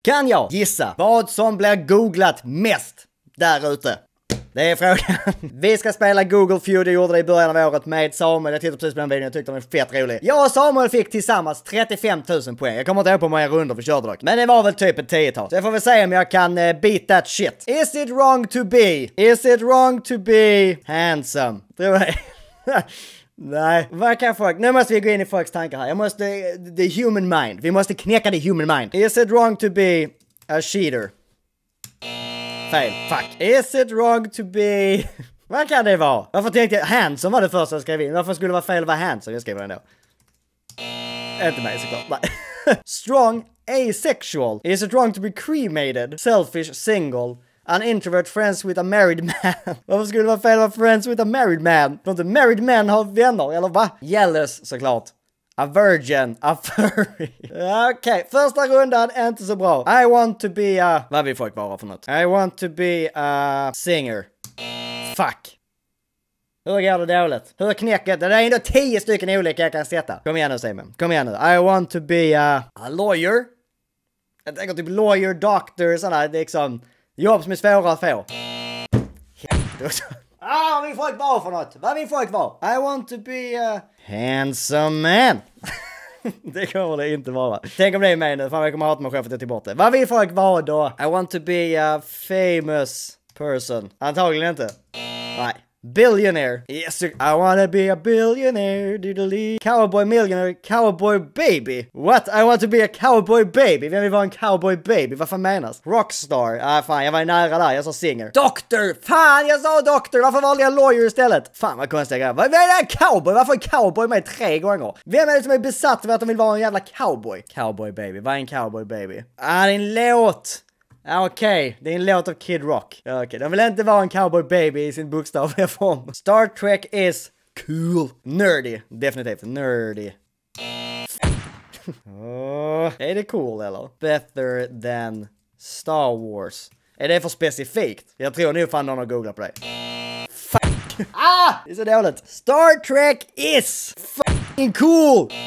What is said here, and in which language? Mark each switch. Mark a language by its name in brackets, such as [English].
[Swedish] Kan jag gissa vad som blir googlat mest där ute? Det är frågan. Vi ska spela Google Feud, jag gjorde det i början av året med Samuel. Jag tittade precis på den videon, jag tyckte den var fett rolig. Jag och Samuel fick tillsammans 35 000 poäng. Jag kommer inte ihåg på många runder för körde dock. Men det var väl typ ett 10-tal. Så jag får väl se om jag kan [English] beat that shit. Is it wrong to be? Is it wrong to be handsome? [Swedish] Tror jag. Nej, vad kan folk? Nu måste vi gå in i folks tankar här. Jag måste, [English] the human mind. [Swedish] Vi måste knäcka [English] the human mind. Is it wrong to be a cheater? Fail, fuck. Is it wrong to be... [Swedish] Vad kan det vara? Varför tänkte jag handsome var det första jag skrev in? Varför skulle det vara fel att vara handsome? Jag skriver ändå. Inte mig såklart. Nej. [English] Strong, asexual. Is it wrong to be cremated? Selfish, single. An introvert friends with a married man. [Swedish] Varför skulle det vara fel att [English] friends with a married man? [Swedish] För inte married man har vänner, eller va? Jealous, såklart. [English] A virgin, a furry. [Swedish] Okej, första rundan är inte så bra. [English] I want to be a... [Swedish] Vad vill folk vara för något? [English] I want to be a... singer. Fuck. [Swedish] Hur går det dåligt? Hur knäcker det? Det är ändå 10 stycken olika jag kan sätta. Kom igen nu, Simon. Kom igen nu. [English] I want to be a... a lawyer? [Swedish] Jag tänker typ lawyer, doctor, sådana liksom... jobb som är svåra att få. Ah, vad vill folk vara för något? Vad vill folk vara? [English] I want to be a... handsome man. [Swedish] Det kommer det inte vara. Tänk om det är mig nu. Fan, jag kommer hata mig själv för att jag tar bort det. Vad vill folk vara då? [English] I want to be a famous person. [Swedish] Antagligen inte. Nej. [English] Billionaire. Yes, I wanna be a billionaire. Diddly. Cowboy millionaire. Cowboy baby. What? I want to be a cowboy baby. [Swedish] Vem vill vara en cowboy baby? Varför menas? Rockstar. Ah, fan, jag var nära där. Jag sa singer. Doktor. Fan, jag sa doktor. Varför valde jag lawyer istället? Fan, vad konstiga grejer. Vad är det här cowboy? Varför är cowboy med 3 gånger? Vem är det som är besatt av att de vill vara en jävla cowboy? Cowboy baby. Vad är en cowboy baby? Ah, det är en låt. Okej, det är en låt av Kid Rock. Okej, de vill inte vara en cowboy baby i sin bokstavliga form. [English] Star Trek is cool. Nerdy, definitivt. Nerdy. [Swedish] Är det cool eller? [English] Better than Star Wars. [Swedish] Är det för specifikt? Jag tror nu fan någon har googlat på det. Fuck. Ah, det är så dåligt. [English] Star Trek is fucking cool.